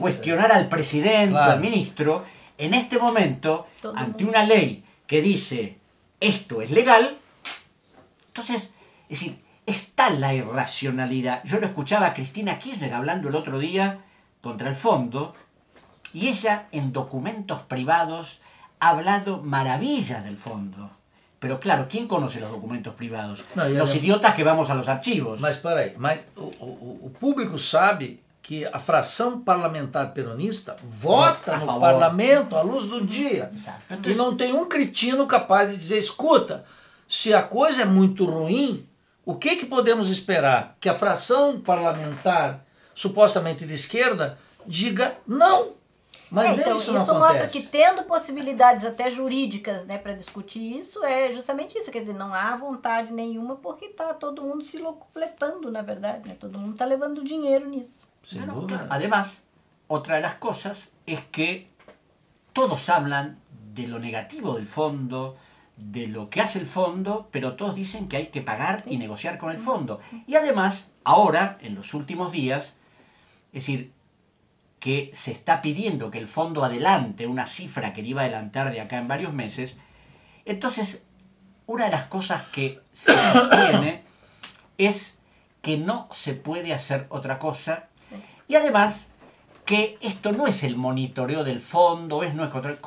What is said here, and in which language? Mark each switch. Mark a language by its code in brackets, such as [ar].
[es] cuestionar al presidente, claro, al ministro, en este momento, todo ante mundo, una ley que dice esto es legal, entonces, es decir, está la irracionalidad. Yo lo escuchaba a Cristina Kirchner hablando el otro día contra el fondo, y ella en documentos privados ha hablado maravillas del fondo. Pero claro, ¿quién conoce los documentos privados? No, los idiotas que vamos a los archivos. [pt] Mas para aí, mas o público sabe que a fração parlamentar peronista vota no parlamento à luz do dia. Exato. E não tem um cretino capaz de dizer, escuta, se a coisa é muito ruim, o que que podemos esperar? Que a fração parlamentar, supostamente de esquerda, diga não. Mas então, isso acontece. Mostra que, tendo possibilidades até jurídicas, né, para discutir isso, é justamente isso. Quer dizer, não há vontade nenhuma, porque está todo mundo se locupletando, na verdade. Né? Todo mundo está levando dinheiro nisso. Sem dúvida. Claro. [es] Además, [pt] outra das coisas é que [es] todos hablan de lo negativo del fondo, de lo que hace el fondo, pero todos dicen que hay que pagar y negociar con el fondo. Y además, ahora, en los últimos días, es decir, que se está pidiendo que el fondo adelante una cifra que iba a adelantar de acá en varios meses, entonces, una de las cosas que se sostiene es que no se puede hacer otra cosa, y además, que esto no es el monitoreo del fondo, es no es control.